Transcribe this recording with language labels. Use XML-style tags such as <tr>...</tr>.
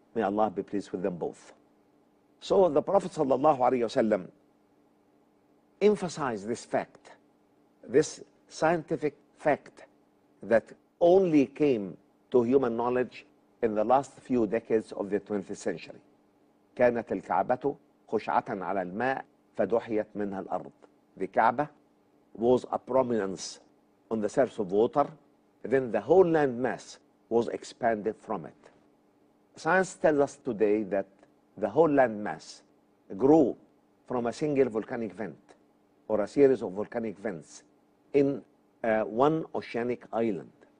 <en>May Allah be pleased with them both. So the Prophet sallallahu alayhi wa sallam emphasize this fact, this scientific fact that only came to human knowledge in the last few decades of the 20th century.</en> <ar>كانت الكعبة خشعة على الماء فدحيت منها الأرض.</ar> <en>The Kaaba was a prominence on the surface of water, then the whole land mass was expanded from it. Science tells us today that the whole land mass grew from a single volcanic vent or a series of volcanic vents in one oceanic island.</en>